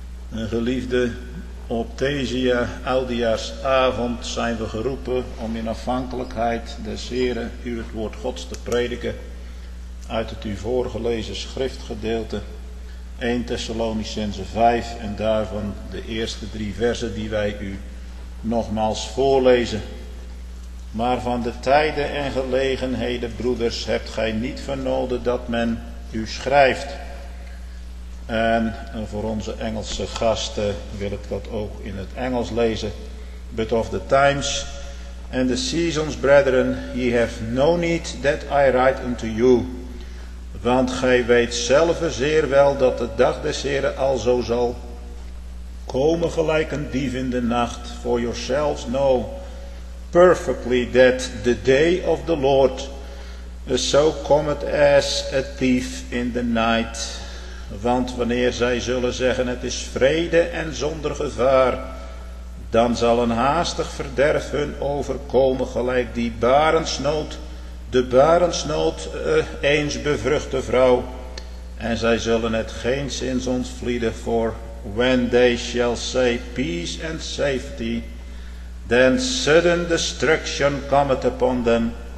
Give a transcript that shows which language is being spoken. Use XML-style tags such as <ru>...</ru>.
<nl>En geliefde, op deze oudejaarsavond zijn we geroepen om in afhankelijkheid des Heren u het woord Gods te prediken uit het u voorgelezen schriftgedeelte 1 Thessalonicenzen 5 en daarvan de eerste drie versen die wij u nogmaals voorlezen. Maar van de tijden en gelegenheden, broeders, hebt gij niet vernoden dat men u schrijft. En voor onze Engelse gasten wil ik dat ook in het Engels lezen.</nl> <en>But of the times and the seasons, brethren, ye have no need that I write unto you.</en> <nl>Want gij weet zelf zeer wel dat de dag des Heren al zo zal komen gelijk een dief in de nacht.</nl> <en>For yourselves know perfectly that the day of the Lord is so cometh as a thief in the night.</en> <nl>Want wanneer zij zullen zeggen, het is vrede en zonder gevaar, dan zal een haastig verderf hun overkomen, gelijk die barensnood, de barensnood eens bevruchte vrouw. En zij zullen het geenszins ontvlieden,</nl> <en>for when they shall say peace and safety, then sudden destruction cometh upon them,</en>